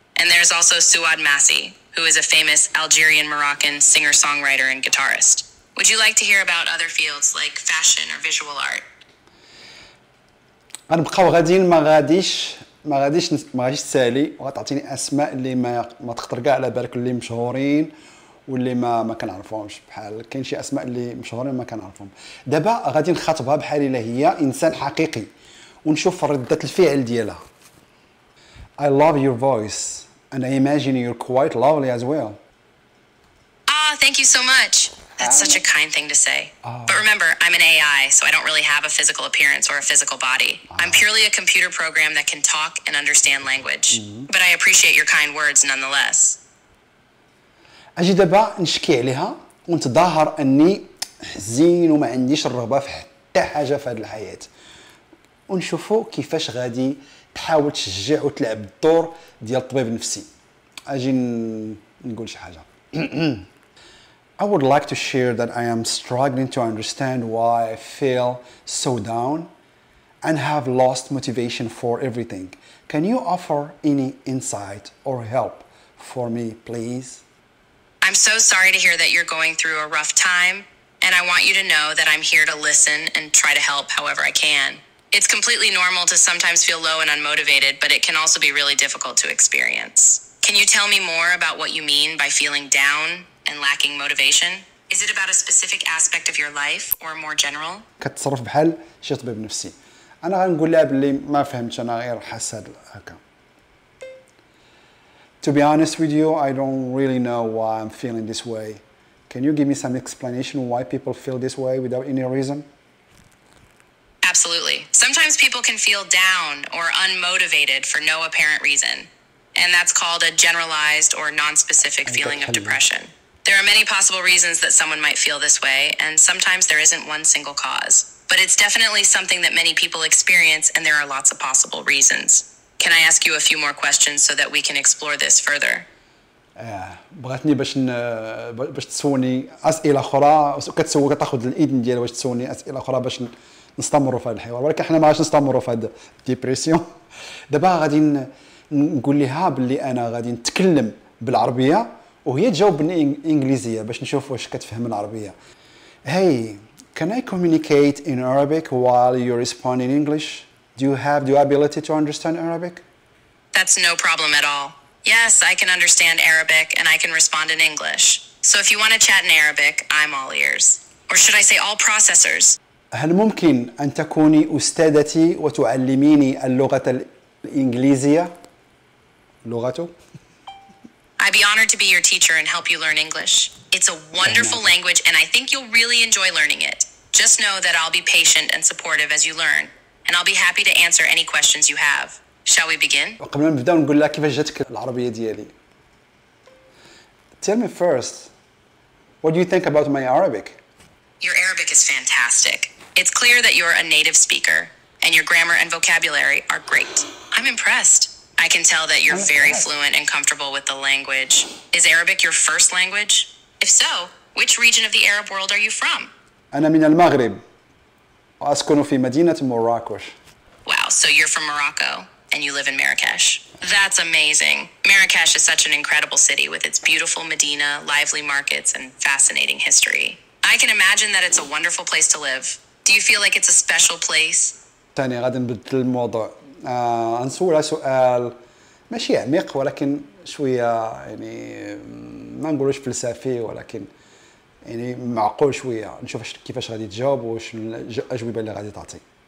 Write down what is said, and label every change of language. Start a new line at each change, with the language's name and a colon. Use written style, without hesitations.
English: And there's also Souad Massi, who is a famous Algerian-Moroccan singer-songwriter and guitarist. Would you like to hear about other fields like fashion or visual art? I'm going to go to Marrakesh, Sally, and I'll give you names that you don't know about all the famous people.
Arabic: واللي ما كنعرفهمش بحال كاين شي اسماء اللي مشهورين ما كنعرفهم. دابا غادي نخاطبها بحال الا هي انسان حقيقي ونشوف رده الفعل ديالها.
English: I love your voice and I imagine you're quite lovely as well. Ah, thank you so much. That's such a kind thing to say. But remember, I'm an AI, so I don't really have a physical appearance or a physical body. I'm purely a computer program that can talk and understand language. But I appreciate your kind words nonetheless.
Arabic: أجي دابا نشكي عليها ونتظاهر أني حزين وما عنديش الرغبة في حتى حاجة في هذه الحياة ونشوفو كيفاش غادي تحاول تشجع وتلعب الدور ديال الطبيب النفسي. أجي نقول شي حاجة.
English: I would like to share that I am struggling to understand why I feel so down and have lost motivation for everything. Can you offer any insight or help for me, please? I'm so sorry to hear that you're going through a rough time, and I want you to know that I'm here to listen and try to help however I can. It's completely normal to sometimes feel low and unmotivated, but it can also be really difficult to experience. Can you tell me more about what you mean by feeling down and lacking motivation? Is it about a specific aspect of your life or more general?
Arabic: كتصرف بحال شي طبيب نفسي. انا غنقول لها بلي ما فهمتش انا غير حاسد هكا.
English: To be honest with you, I don't really know why I'm feeling this way. Can you give me some explanation why people feel this way without any reason? Absolutely. Sometimes people can feel down or unmotivated for no apparent reason. And that's called a generalized or non-specific feeling of depression. There are many possible reasons that someone might feel this way, and sometimes there isn't one single cause. But it's definitely something that many people experience, and there are lots of possible reasons. Can I ask you a few more questions so that we can explore this further?
Arabic: بغاتني باش تسوني اسئله اخرى وكتسوق تاخذ الاذن ديالي باش تسوني اسئله اخرى باش نستمروا في هذا الحوار. ولكن حنا ما غاديش نستمروا في هذا ديبريسيون. دابا غادي نقول لها بلي انا غادي نتكلم بالعربيه وهي تجاوب بالانجليزيه باش نشوف واش كتفهم العربيه.
English: Hey, can I communicate in Arabic while you respond in English? Do you have ability to understand Arabic? That's no problem at all. Yes, I can understand Arabic and I can respond in English. So if you want to chat in Arabic, I'm all ears. Or should I say all processors?
Arabic: هل ممكن أن تكوني أستاذتي وتعلميني اللغة الإنجليزية؟ لغته؟
English: I'd be honored to be your teacher and help you learn English. It's a wonderful language and I think you'll really enjoy learning it. Just know that I'll be patient and supportive as you learn. And I'll be happy to answer any questions you have. Shall we begin?
Arabic: قبل ما نبدا نقول لك كيفاش جاتك العربيه ديالي.
English: Tell me first, what do you think about my Arabic? Your Arabic is fantastic. It's clear that you're a native speaker and your grammar and vocabulary are great. I'm impressed. I can tell that you're very fluent and comfortable with the language. Is Arabic your first language? If so, which region of the Arab world are you from?
Arabic: انا من المغرب. أسكن في مدينة مراكش.
English: Wow, so you're from Morocco and you live in Marrakesh. That's amazing. Marrakesh is such an incredible city with its beautiful Medina, lively markets and fascinating history. I can imagine that it's a wonderful place to live. Do you feel like it's a special place?
Arabic: ثاني غادي نبدل الموضوع. نسولها سؤال ماشي عميق ولكن شوية يعني ما نقولوش فلسفي ولكن يعني معقول شوية نشوف كيفاش غادي تجاوب وش الأجوبة اللي غادي تعطي.